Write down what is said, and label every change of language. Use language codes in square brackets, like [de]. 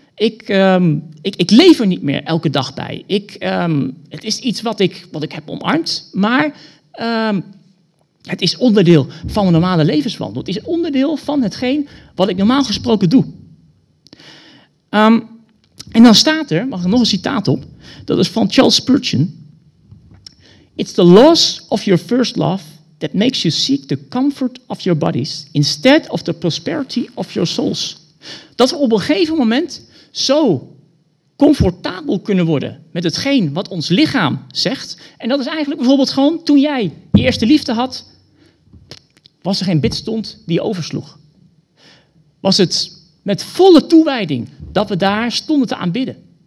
[nl] Ik leef er niet meer elke dag bij. Het is iets wat ik heb omarmd, maar het is onderdeel van mijn normale levenswandel. Het is onderdeel van hetgeen wat ik normaal gesproken doe. En dan staat er, mag ik nog een citaat op, dat is van Charles Spurgeon. [en] It's the loss of your first love that makes you seek the comfort of your bodies instead of the prosperity of your souls. [nl] Dat we op een gegeven moment zo comfortabel kunnen worden met hetgeen wat ons lichaam zegt. En dat is eigenlijk bijvoorbeeld gewoon toen jij je eerste liefde had, was er geen bid stond die je oversloeg. Was het met volle toewijding dat we daar stonden te aanbidden.